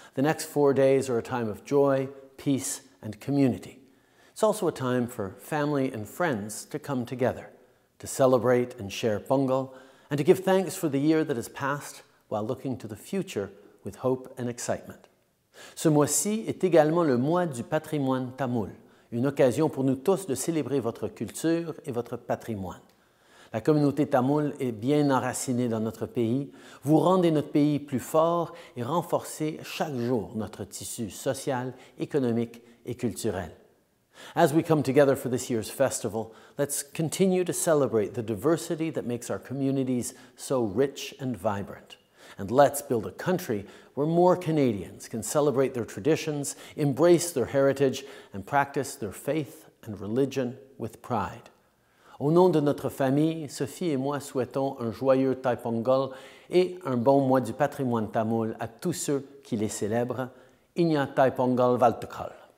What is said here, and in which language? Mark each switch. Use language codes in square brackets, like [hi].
[en] The next 4 days are a time of joy, peace, and community. It's also a time for family and friends to come together, to celebrate and share Pongal, and to give thanks for the year that has passed while looking to the future with hope and excitement. [fr] Ce mois-ci est également le mois du patrimoine tamoul, une occasion pour nous tous de célébrer votre culture et votre patrimoine. La communauté tamoul est bien enracinée dans notre pays. Vous rendez notre pays plus fort et renforcez chaque jour notre tissu social, économique et culturel. [en] As we come together for this year's festival, let's continue to celebrate the diversity that makes our communities so rich and vibrant. And let's build a country where more Canadians can celebrate their traditions, embrace their heritage, and practice their faith and religion with pride. [fr] Au nom de notre famille, Sophie et moi souhaitons un joyeux Thai Pongal et un bon mois du patrimoine tamoul à tous ceux qui les célèbrent. [ta] Inya Thai Pongal Valtakal.